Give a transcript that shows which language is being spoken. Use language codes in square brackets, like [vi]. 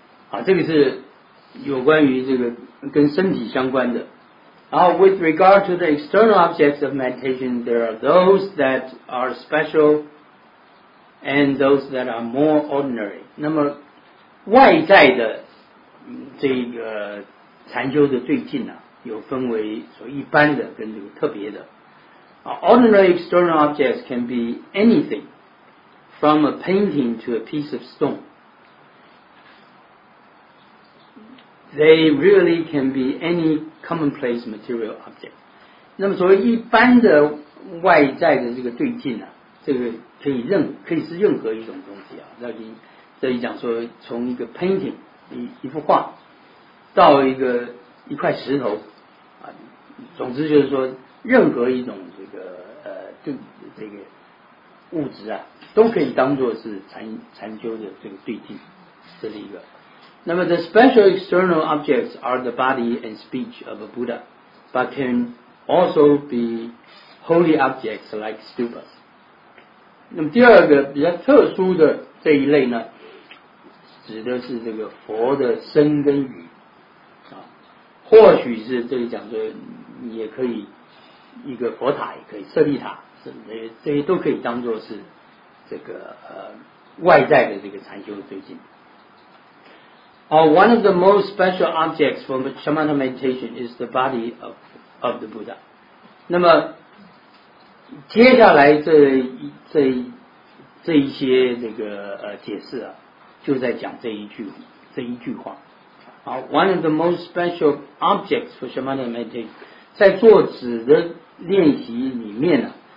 [zh] 好，这个是有关于这个跟身体相关的。然后 [en] with regard to the external objects of meditation, there are those that are special and those that are more ordinary. [zh] 那么外在的这个禅修的对境呢、啊、有分为所一般的跟这个特别的。 [en] Ordinary external objects can be anything from a painting to a piece of stone. They really can be any commonplace material object. [zh] 那么所谓一般的外在的这个对境、啊、这个可以是任何一种东西、啊、那你这里讲说从一个 painting 一幅画到一块石头、啊、总之就是说任何一种这个物质啊，都可以当作是禅修的这个对境，这是一个。那么 [en] the special external objects are the body and speech of a Buddha, but can also be holy objects like stupas. [zh] 那么第二个比较特殊的这一类呢，指的是这个佛的身跟语啊，或许是这里讲说也可以一个佛塔，也可以舍利塔，这些都可以当作是这个外在的这个禅修的对境。 [en] One of the most special objects for Shamatha meditation is the body of the Buddha. [zh] 那么接下来这一些这个解释啊，就在讲这一句话。 [en] One of the most special objects for Shamatha meditation， [zh] 在坐止的练习里面呢、啊。